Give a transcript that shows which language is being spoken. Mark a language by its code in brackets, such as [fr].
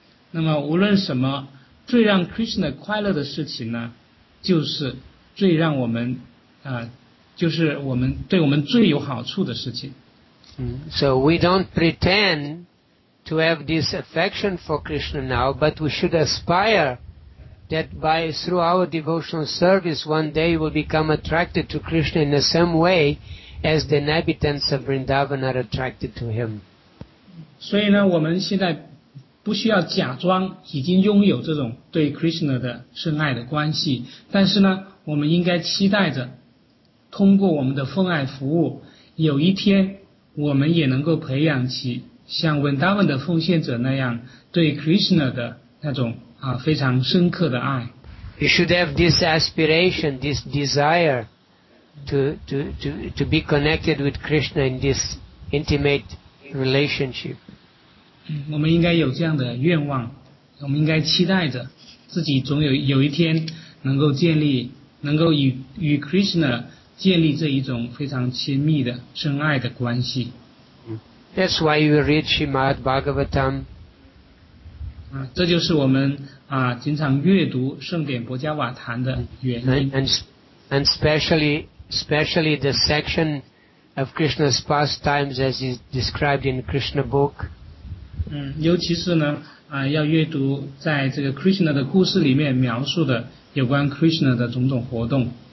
[zh] 那么无论什么最让 Krishna 快乐的事情呢，就是最让我们就是我们对我们最有好处的事情。 [en] So we don't pretend to have this affection for Krishna now, but we should aspire that by through our devotional service, one day we'll become attracted to Krishna in the same way as the inhabitants of Vrindavan are attracted to him. [zh] 所以呢，我们现在不需要假装已经拥有这种对 Krishna 的深爱的关系，但是呢，我们应该期待着。通过我们的奉爱服务，有一天我们也能够培养起像 Vrindavan 的奉献者那样对 Krishna 的那种非常深刻的爱。 [en] You should have this aspiration, this desire to be connected with Krishna in this intimate relationship. [zh] 我们应该有这样的愿望，我们应该期待着自己总有一天能够建立，能够与 Krishna建立这一种非常亲密的深爱的关系。 [en] That's why you read Srimad Bhagavatam. [zh] 这就是我们经常阅读圣典薄伽瓦坛的原因。 [en] And especially the section of Krishna's pastimes as is described in Krishna book. [zh] 尤其是呢要阅读在这个 Krishna 的故事里面描述的有关 Krishna 的种种活动。